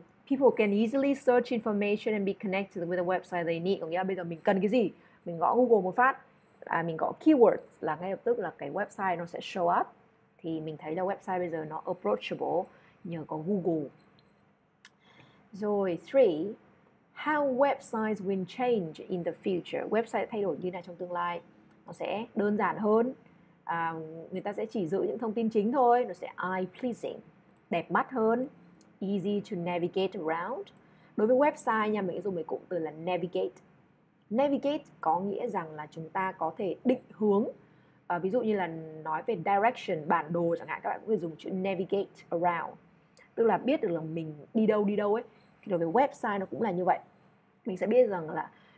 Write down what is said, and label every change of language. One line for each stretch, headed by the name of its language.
English: People can easily search information and be connected with the website they need.
Vietnamese: Có nghĩa là bây giờ mình cần cái gì, mình gõ Google một phát, mình gõ keywords là ngay lập tức là cái website nó sẽ
English: show up.
Vietnamese: Thì mình thấy là website bây giờ nó approachable nhờ có Google. Rồi,
English: three, how websites will change in the future?
Vietnamese: Website thay đổi như nào trong tương lai? Nó sẽ đơn giản hơn, người ta sẽ chỉ giữ những thông tin chính thôi, nó sẽ
English: eye pleasing,
Vietnamese: đẹp mắt hơn,
English: easy to navigate around.
Vietnamese: Đối với website nha, mình dùng cái cụm từ là navigate. Navigate có nghĩa rằng là chúng ta có thể định hướng, ví dụ như là nói về direction, bản đồ chẳng hạn, các bạn có thể dùng chữ
English: navigate around,
Vietnamese: tức là biết được là mình đi đâu ấy. Thì đối với website nó cũng là như vậy, mình sẽ biết rằng là